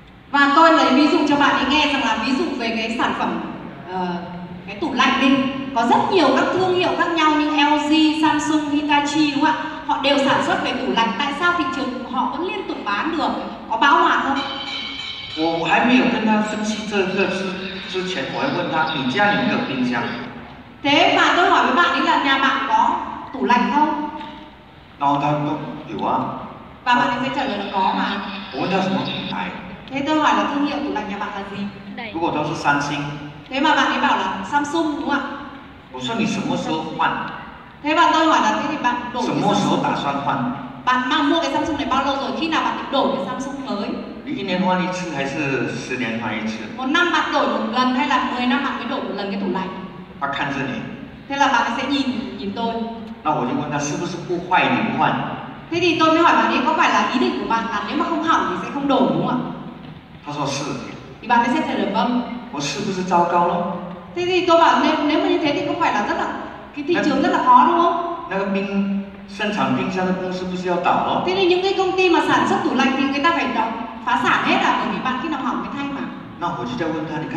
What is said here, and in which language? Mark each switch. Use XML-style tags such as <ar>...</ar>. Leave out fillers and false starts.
<vi>Và tôi lấy ví dụ cho bạn ấy nghe rằng là ví dụ về cái sản phẩm cái tủ lạnh đi, có rất nhiều các thương hiệu khác nhau như LG, Samsung, Hitachi đúng không ạ? Họ đều sản xuất về tủ lạnh, tại sao thị trường của họ vẫn liên tục bán được, có bão hòa không?</vi> <zh>我还没有跟他分析这个之前，我还问他，你家有没有冰箱？</zh> <vi>Thế mà tôi hỏi với bạn ấy là nhà bạn có tủ lạnh không?</vi> <zh>然后他说有啊。</zh> <vi>Và bạn ấy sẽ trả lời là có mà.</vi> <zh>我问他什么品牌？</zh> <vi>Thế tôi hỏi là thương hiệu tủ lạnh nhà bạn là gì?</vi> <zh>如果都是三星。</zh> <vi>Thế mà bạn ấy bảo là Samsung đúng không ạ?</vi> <zh>我说你什么时候换？</zh> <vi>Thế bạn tôi hỏi là thế thì bạn đổi.</vi> <zh>什么时候打算换？</zh> <vi>Bạn mang mua cái Samsung này bao lâu rồi? Khi nào bạn định đổi cái Samsung mới?</vi> <zh>你一年换一次还是十年换一次？</zh> <vi>1 năm bạn đổi một lần hay là 10 năm bạn mới đổi một lần cái tủ lạnh?</vi> <zh>他看着你。</zh> <vi>Thế là bạn sẽ nhìn tôi.</vi> <zh>那我就问他是不是不坏你不换？</zh> <vi>Thế thì tôi mới hỏi bạn ấy có phải là ý định của bạn là nếu mà không hỏng thì sẽ không đổi đúng không ạ?</vi> <zh>他说是。</zh> <vi>Thì bạn ấy sẽ trả lời vâng.</vi> <zh>我是不是糟糕了？</zh> <vi>Thế thì tôi bảo nếu mà như thế thì có phải là rất là cái thị trường rất là khó đúng không?</vi> <zh>那个冰箱的公司不是要倒了？</zh> <vi>Thế thì những cái công ty mà sản xuất tủ lạnh thì người ta phải đóng phá sản hết à? Bởi vì bạn khi nào hỏng mới thay mà.</vi>